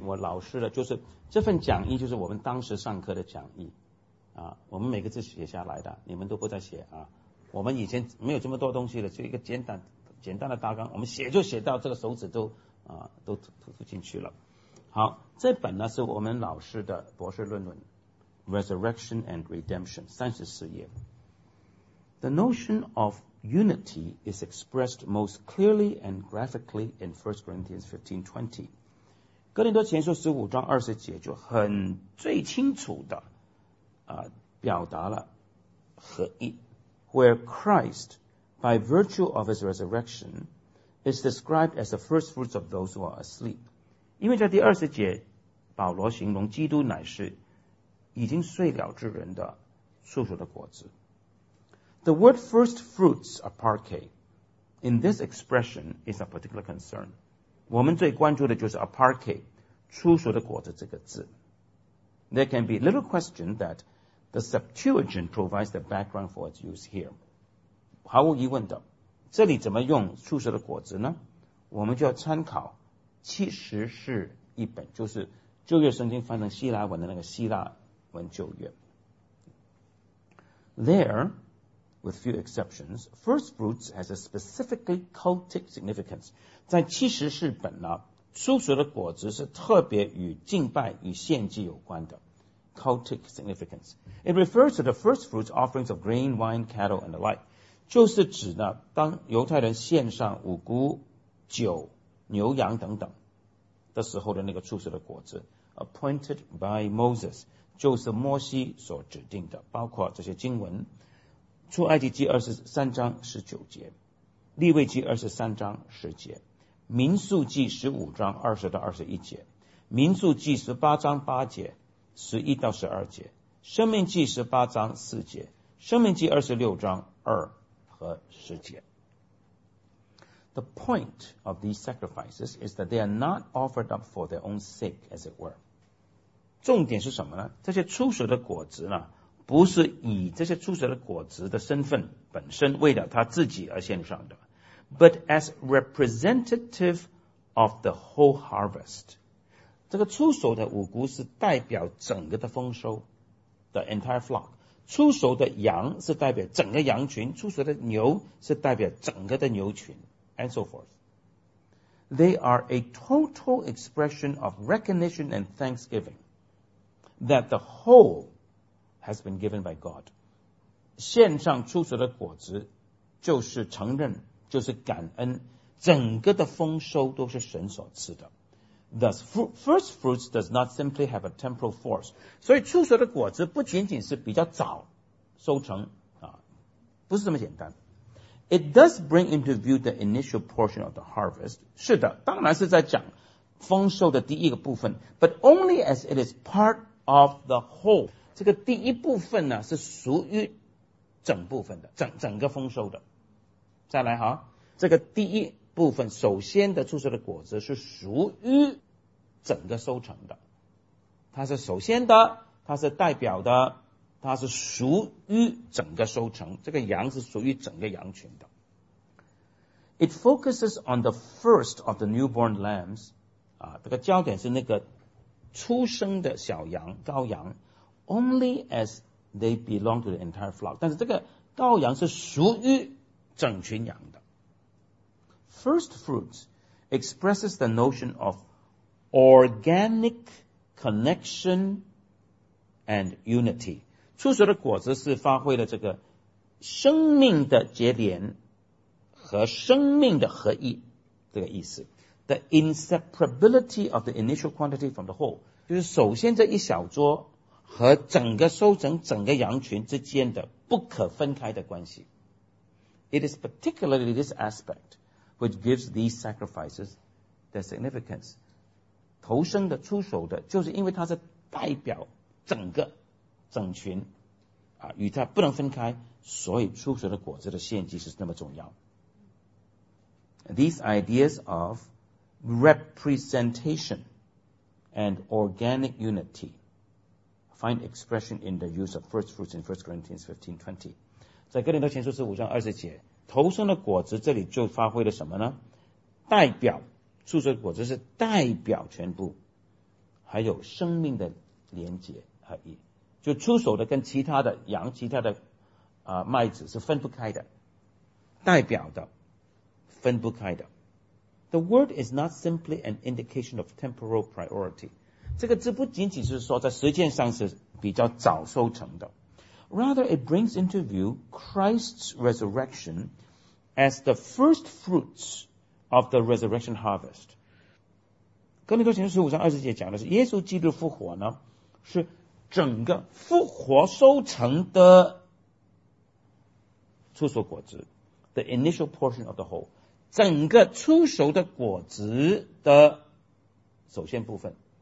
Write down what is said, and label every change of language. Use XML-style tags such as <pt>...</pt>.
<zh>我老师的就是这份讲义，就是我们当时上课的讲义啊，我们每个字写下来的，你们都不再写啊，我们以前没有这么多东西的，就一个简单的大纲，我们写就写到这个手指都啊都涂进去了。好，这本呢是我们老师的博士论文 Resurrection and Redemption, 34页。</zh> <en>The notion ofUnity is expressed most clearly and graphically in 1 Corinthians 15:20.</en> <zh>哥林多前书十五章二十节就很最清楚的表达了合一。</zh> <en>Where Christ, by virtue of his resurrection, is described as the first fruits of those who are asleep.</en> <zh>因为在第二十节，保罗形容基督乃是已经睡了之人的初熟的果子。</zh> <en>The word first fruits, aparke, in this expression is a particular concern.</en> <zh>我们最关注的就是 aparke, 初熟的果子这个字。</zh> <en>There can be little question that the Septuagint provides the background for its use here.</en> <zh>毫无疑问的，这里怎么用初熟的果子呢？我们就要参考七十是一本，就是旧约圣经翻成希腊文的那个希腊文旧约。</zh> <en>There,With few exceptions, first fruits has a specifically cultic significance.</en> <zh>在七十世本呢，初熟的果子是特别与敬拜与献祭有关的</zh> <en>cultic significance. It refers to the first fruits offerings of grain, wine, cattle, and the like.</en> <zh>就是指呢，当犹太人献上五谷、酒、牛羊等等的时候的那个初熟的果子</zh> <en>appointed by Moses,</en> <zh>就是摩西所指定的，包括这些经文。出埃及记二十三章十九节，利未记二十三章十节，民数记十五章二十到二十一节，民数记十八章八节，十一到十二节，生命记十八章四节，生命记二十六章二和十节。</zh> <en>The point of these sacrifices is that they are not offered up for their own sake, as it were.</en> <zh>重点是什么呢？这些初熟的果子呢？不是以这些初熟的果子的身份本身为了他自己而献上的</zh> <en>but as representative of the whole harvest.</en> <zh>这个初熟的五谷是代表整个的丰收</zh> <en>the entire flock.</en> <zh>初熟的羊是代表整个羊群，初熟的牛是代表整个的牛群</zh> <en>and so forth. They are a total expression of recognition and thanksgiving that the whole has been given by God.</en> <zh>献上初熟的果子就是承认，就是感恩，整个的丰收都是神所赐的。</zh> <en>Thus, first fruits does not simply have a temporal force.</en> <zh>所以初熟的果子不仅仅是比较早收成啊，不是这么简单。</zh> <en>It does bring into view the initial portion of the harvest.</en> <zh>是的，当然是在讲丰收的第一个部分，</zh> <en>but only as it is part of the whole.</en> <zh>这个第一部分呢是属于整部分的，整个丰收的。再来哈，这个第一部分首先的初熟的果子是属于整个收成的，它是首先的，它是代表的，它是属于整个收成，这个羊是属于整个羊群的。</zh> <en>It focuses on the first of the newborn lambs,</en> <zh>啊，这个焦点是那个出生的小羊羔羊</zh> <en>，only as they belong to the entire flock.</en> <zh>但是这个羔羊是属于整群羊的。</zh> <en>First fruits expresses the notion of organic connection and unity.</en> <zh>初熟的果子是发挥了这个生命的结连和生命的合一这个意思。</zh> <en>The inseparability of the initial quantity from the whole.</en> <zh>就是首先这一小桌和整个收成整个羊群之间的不可分开的关系。</zh> <en>It is particularly this aspect which gives these sacrifices their significance.</en> <zh>头生的出熟的就是因为它是代表整个整群啊，与它不能分开，所以出熟的果子的献祭是那么重要。</zh> <en>These ideas of representation and organic unity find expression in the use of first fruits in 1 Corinthians 15:20.</en> <zh>在哥林多前书15:20，头生的果子这里就发挥了什么呢？代表出熟的果子是代表全部，还有生命的连结而已。就出熟的跟其他的羊、其他的麦子是分不开的，代表的分不开的。</zh> <en>The word is not simply an indication of temporal priority.</en> <zh>这个字不仅仅是说在时间上是比较早收成的。</zh> <en>Rather, it brings into view Christ's resurrection as the first fruits of the resurrection harvest.</en> <zh>哥林多前书15:20讲的是耶稣基督复活呢是整个复活收成的出熟果子</zh> <en>the initial portion of the whole,</en> <zh>整个出熟的果子的首先部分。</zh>